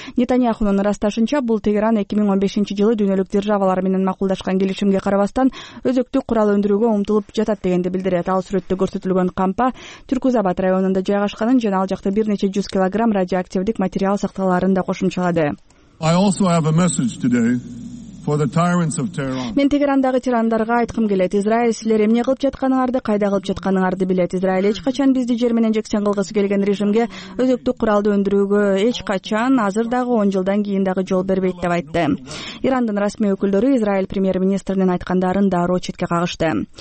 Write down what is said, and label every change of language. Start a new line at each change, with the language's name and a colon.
Kyrgyz: Нетаньяхунун ырасташынча, бул Тегеран 2015-жылы дүйнөлүк державалар менен макулдашкан келишимге карабастан өзөктүк курал өндүрүүгө умтулуп жатат дегенди билдирет. Ал сүрөттө көрсөтүлгөн кампа Тюркузабад районунда жайгашканын жана ал жакта 100 кг радиоактивдик материал сакталарын да кошумчалады.
English: I also have a message today. For the tyrants of Tehran.
Kyrgyz: Мен Тегерандагы тирандарга айткым келет. Израиль, силер эмне кылып жатканыңарды, кайда кылып жатканыңарды билет. Израиль эч качан бизди жер менен жексен кылгысы келген режимге өзөктүк куралды өндүрүүгө эч качан, азыр дагы 10 жылдан кийин дагы жол бербейт деп айтты. Ирандын расмий өкүлдөрү Израиль премьер-министринин айткандарын дароо четке кагышты.